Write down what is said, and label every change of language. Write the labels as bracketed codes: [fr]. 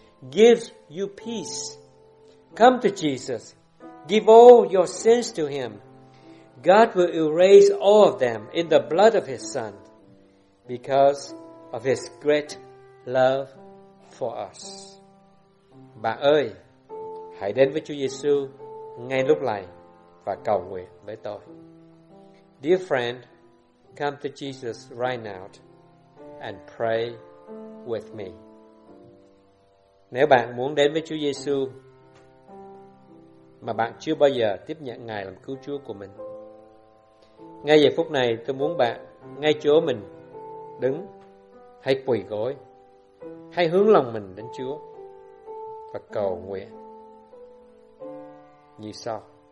[en] Gives you peace. Come to Jesus. Give all your sins to him. God will erase all of them in the blood of his son because of his great love for us. [vi] Bạn ơi, hãy đến với Chúa Giêsu ngay lúc này và cầu nguyện với tôi. [en] Dear friend, come to Jesus right now and pray with me. [vi] Nếu bạn muốn đến với Chúa Giêsu mà bạn chưa bao giờ tiếp nhận Ngài làm cứu Chúa của mình, ngay giây phút này tôi muốn bạn ngay chỗ mình đứng, hãy quỳ gối, hãy hướng lòng mình đến Chúa và cầu nguyện như sau.